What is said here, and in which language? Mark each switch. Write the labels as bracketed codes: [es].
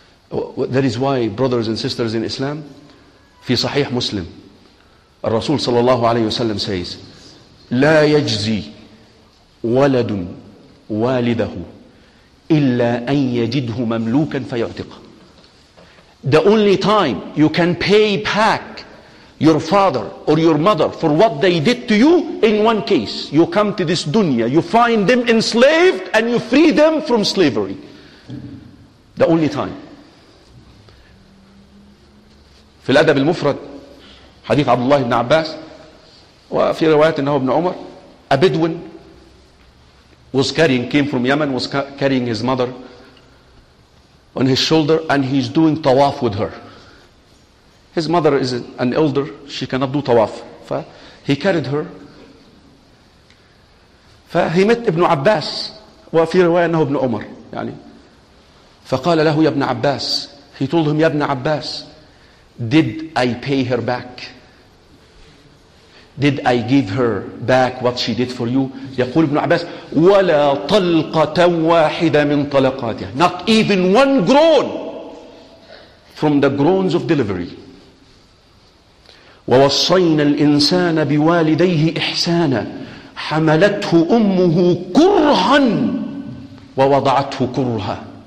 [en] That is why, brothers and sisters in Islam, [ar] في صحيح مسلم الرسول صلى الله عليه وسلم [en] says, [ar] لا يجزي ولد والده إلا أن يجده مملوكا فيعتقه. [en] The only time you can pay back your father or your mother for what they did to you, in one case, you come to this dunya, you find them enslaved and you free them from slavery. The only time. [ar] في الأدب المفرد حديث عبد الله بن عباس, وفي روايات أنه ابن عمر, [en] a Bedouin was carrying, came from Yemen, was carrying his mother on his shoulder and he's doing tawaf with her. His mother is an elder, she cannot do tawaf. He carried her. He met Ibn Abbas. [ar] وفي رواية أنه ابن عمر. يعني. فقال له يا ابن عباس. [en] He told him, [ar] يا ابن عباس, [en] did I pay her back? Did I give her back what she did for you? [ar] يقول ابن عباس ولا طلقة واحدة من طلقاتها. [en] Not even one groan from the groans of delivery. [ar] ووصينا الإنسان بوالديه إحسانا حملته أمه كرها ووضعته كرها.